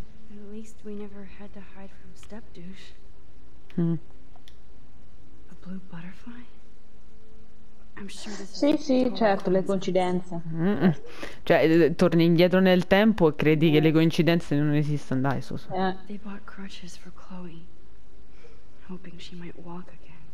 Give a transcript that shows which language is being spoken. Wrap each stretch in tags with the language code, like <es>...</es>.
<en>At least we never had to hide from Step Douche. A blue butterfly?</en> <it>Sì, sì, certo, le coincidenze. Cioè, torni indietro nel tempo e credi che le coincidenze non esistano, dai, su.</it> <en>They bought crutches for Chloe, hoping she might walk again.</en>